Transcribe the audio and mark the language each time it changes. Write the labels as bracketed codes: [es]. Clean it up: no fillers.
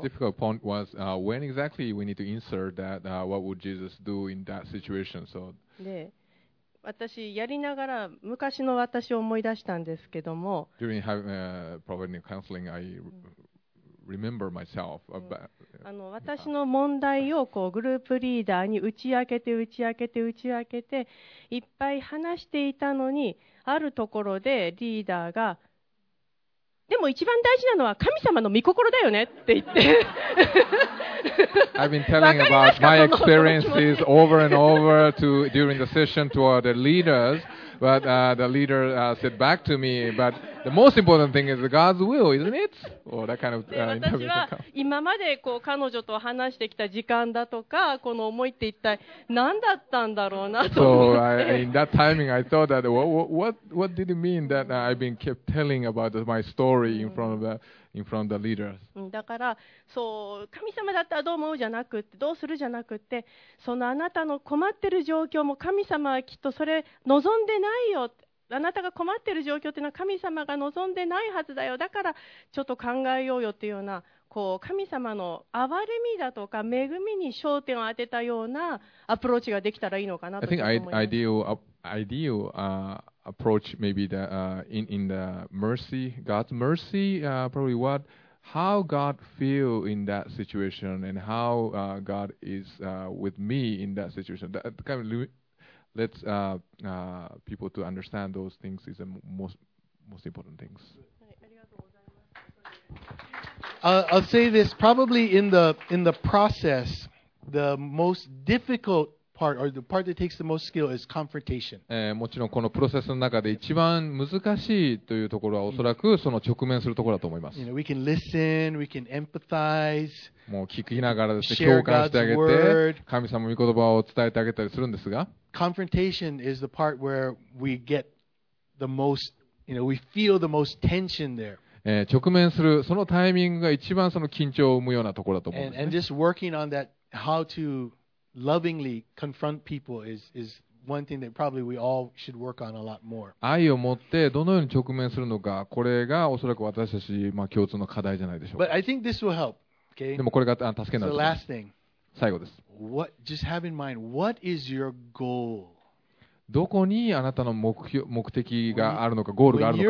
[en] Most difficult point was when exactly we need to insert that what would Jesus do in that situation. So [ja] 私やりながら昔の私を思い出したんですけども。 [en] During providing counseling, I remember myself about, [ja] 私の問題をこうグループリーダーに打ち明けて打ち明けて打ち明けていっぱい話していたのに、あるところでリーダーが、でも一番大事なのは神様の御心だよねって言って [en] I've been telling about my experiences over and over to, during the session to other leaders, but the leader said back to me, but the most important thing is God's will, isn't it? Or that kind of interview. [ja] 私は今までこう彼女と話してきた時間だとか、この思いって一体何だったんだろうなと思って。 [en] So I, in that timing, I thought that what did it mean that I've been kept telling about my story in front of the leaders. [ja] だからそう、神様だったらどう思うじゃなくて、どうするじゃなくて、そのあなたの困ってる状況も神様はきっとそれ望んでないよ、あなたが困ってる状況っていうのは神様が望んでないはずだよ、だからちょっと考えようよっていうような、こう神様の憐れみだとか恵みに焦点を当てたようなアプローチができたらいいのかなと思います。 [en] I think ideal approach maybe the, in the mercy, God's mercy, probably what, how God feel in that situation and how God is with me in that situation. That kind of lets people to understand those things is the most important things. I'll say this, probably in the process, the most difficultor the part that takes the most skill is confrontation. [ja] もちろんこのプロセスの中で一番難しいというところはおそらくその直面するところだと思います。 [en] You know, we can listen, we can empathize, [ja] もう聞きながらですね、共感してあげて、神様の御言葉を伝えてあげたりするんですが、 [en] confrontation is the part where we get the most, you know, we feel the most tension there. [ja] 直面するそのタイミングが一番その緊張を生むようなところだと思うんですね。 [en] And just working on that, how toLovingly confront people is one thing that probably we all should work on a lot more. [ja] 愛を持ってどのように直面するのか、これがおそらく私たち、まあ、共通の課題じゃないでしょうか。 [en] But I think this will help. Okay. [ja] でもこれが助けになります。 [en] So last thing. [ja] 最後です。 [en] What just have in mind? What is your goal? [ja] どこにあなたの目的があるのか、ゴールがあるのか。